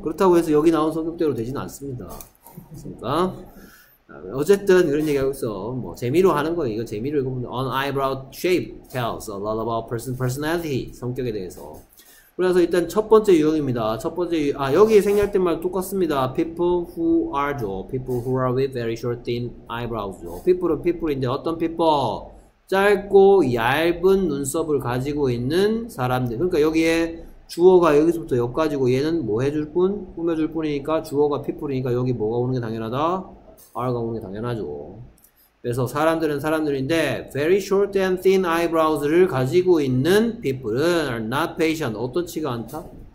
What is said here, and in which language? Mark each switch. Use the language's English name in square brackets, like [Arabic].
[Korean] 그렇다고 해서 여기 나온 성격대로 되진 않습니다. 맞습니까? 어쨌든 이런 얘기하고 있어. 뭐 재미로 하는 거예요. 이거 재미로 읽으면 [English] On eyebrow shape tells a lot about person personality. [Korean] 성격에 대해서. 그래서 일단 첫 번째 유형입니다. 첫 번째 유, 아 여기 생략된 말 똑같습니다. [English] People who are죠. People who are with very short thin eyebrows죠. [Korean] People은 people인데 어떤 people? 짧고 얇은 눈썹을 가지고 있는 사람들. 그러니까 여기에 주어가 여기서부터 여기까지고 얘는 뭐 해줄 뿐? 꾸며줄 뿐이니까 주어가 people이니까 여기 뭐가 오는 게 당연하다? R가 오는 게 당연하죠. 그래서 사람들은 사람들인데, very short and thin eyebrows를 가지고 있는 people은 [English] are not patient. [Korean] 어떻지가 않다?